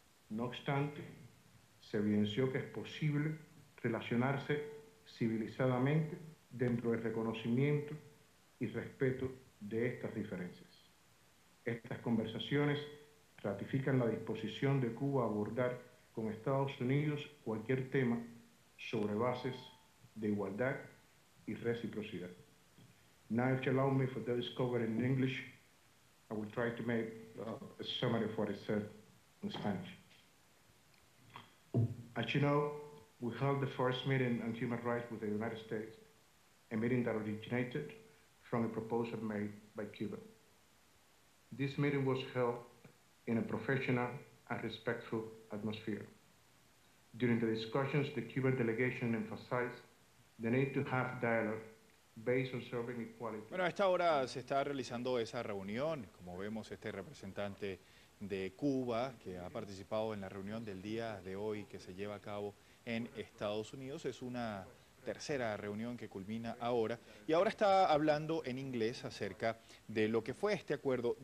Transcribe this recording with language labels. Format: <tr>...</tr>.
<es>No obstante, se evidenció que es posible relacionarse civilizadamente dentro del reconocimiento y respeto de estas diferencias. Estas conversaciones ratifican la disposición de Cuba a abordar con Estados Unidos cualquier tema sobre bases de igualdad y reciprocidad.</es> <en>Now, if you allow me for this cover in English, I will try to make a summary of what is said in Spanish. As you know, we held the first meeting on human rights with the United States, a meeting that originated from a proposal made by Cuba. This meeting was held in a professional and respectful atmosphere. During the discussions, the Cuban delegation emphasized the need to have dialogue based on serving equality.</en> <es>Bueno, a esta hora se está realizando esa reunión. Como vemos, este representante de Cuba, que ha participado en la reunión del día de hoy que se lleva a cabo en Estados Unidos, es una tercera reunión que culmina ahora, y ahora está hablando en inglés acerca de lo que fue este acuerdo.</es>